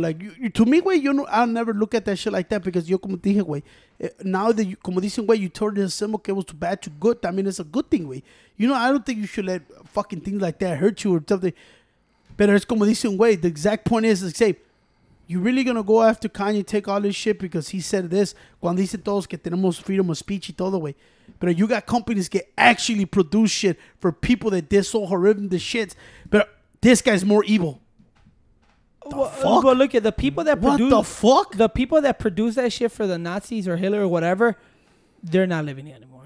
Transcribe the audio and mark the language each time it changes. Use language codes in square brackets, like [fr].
[en] Like, you, to me, güey, you know, I'll never look at that shit like that because [es] yo como dije, [en] güey. Now that you, [es] como dicen, [en] güey, you turned the symbol que was too bad to good. I mean, it's a good thing, güey. You know, I don't think you should let fucking things like that hurt you or something. [es] Pero es como dicen, güey. [en] The exact point is, say, you really gonna go after Kanye, take all this shit because he said this. [es] Cuando dicen todos que tenemos [en] freedom of speech [es] y todo, güey. [en] But you got companies that actually produce shit for people that did so horrendous shit. But this guy's more evil. The fuck? But look at the people that produce. What the fuck? The people that produce that shit for the Nazis or Hitler or whatever, they're not living anymore.